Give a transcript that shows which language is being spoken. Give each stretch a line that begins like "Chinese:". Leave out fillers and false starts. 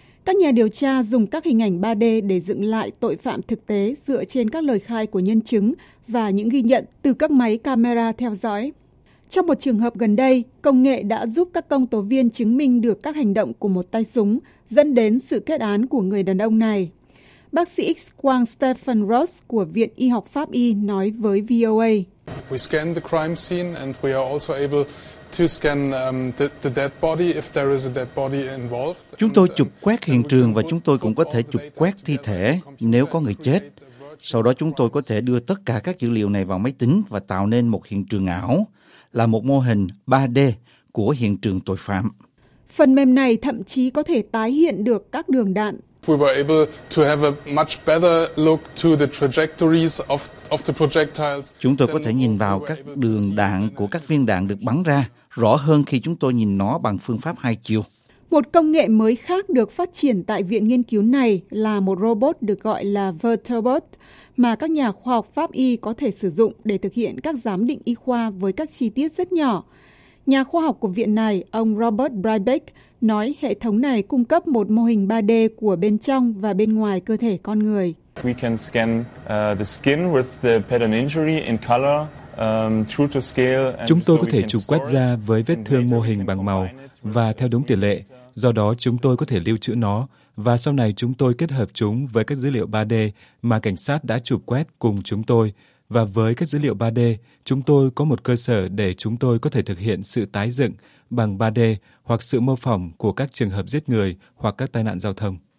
Vietnamese: Các nhà điều tra dùng các hình ảnh 3D để dựng lại tội phạm thực tế dựa trên các lời khai của nhân chứng và những ghi nhận từ các máy camera theo dõi. Trong một trường hợp gần đây, công nghệ đã giúp các công tố viên chứng minh được các hành động của một tay súng dẫn đến sự kết án của người đàn ông này. Bác sĩ X-quang Stephen Ross của Viện Y học Pháp Y nói với VOA.
English: We scan the crime scene and we are also able to scan the dead body if there is a dead body involved.
Vietnamese: Chúng tôi chụp quét hiện trường và chúng tôi cũng có thể chụp quét thi thể nếu có người chết. Sau đó chúng tôi có thể đưa tất cả các dữ liệu này vào máy tính và tạo nên một hiện trường ảo, là một mô hình 3D của hiện trường tội phạm. Phần mềm này thậm chí có thể tái hiện được các đường đạn.
English: We were able to have a much better look to the trajectories of the projectiles.
Vietnamese: Chúng tôi có thể nhìn vào các đường đạn của các viên đạn được bắn ra rõ hơn khi chúng tôi nhìn nó bằng phương pháp hai chiều. Một công nghệ mới khác được phát triển tại viện nghiên cứu này là một robot được gọi là Vertebot mà các nhà khoa học Pháp y có thể sử dụng để thực hiện các giám định y khoa với các chi tiết rất nhỏ. Nhà khoa học của viện này, ông Robert Breibach, nói hệ thống này cung cấp một mô hình 3D của bên trong và bên ngoài cơ thể con người.
English: We can scan the skin with the pattern injury in color, true to scale.
Vietnamese: Chúng tôi có thể chụp quét da với vết thương mô hình bằng màu và theo đúng tỷ lệ. Do đó chúng tôi có thể lưu trữ nó và sau này chúng tôi kết hợp chúng với các dữ liệu 3D mà cảnh sát đã chụp quét cùng chúng tôi. Và với các dữ liệu 3D, chúng tôi có một cơ sở để chúng tôi có thể thực hiện sự tái dựng bằng 3D hoặc sự mô phỏng của các trường hợp giết người hoặc các tai nạn giao thông.